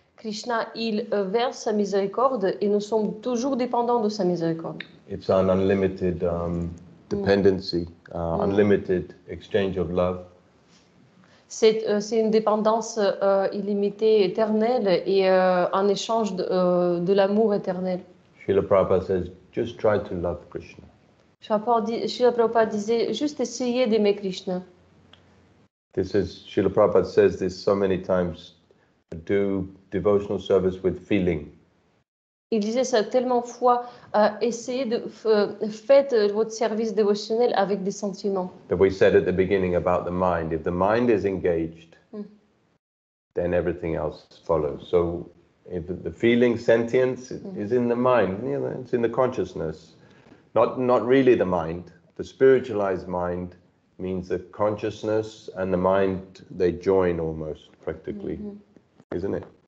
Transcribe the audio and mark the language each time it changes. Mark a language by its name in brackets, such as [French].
[French] Krishna, il verse sa miséricorde et nous sommes toujours dépendants de sa miséricorde. [English] It's an unlimited dependency, unlimited exchange of love. [French] C'est une dépendance illimitée, éternelle et un échange de l'amour éternel. [English] Srila Prabhupada says, just try to love Krishna. [French] Srila Prabhupada disait, juste essayez d'aimer Krishna. [English] This is, Srila Prabhupada says this so many times, do devotional service with feeling. [French] Il disait ça tellement fois, essayez de faire votre service dévotionnel avec des sentiments. [English] That we said at the beginning about the mind, if the mind is engaged, then everything else follows. So if the feeling, sentience is in the mind, you know, it's in the consciousness, not really the mind. The spiritualized mind means the consciousness and the mind, they join almost practically, isn't it?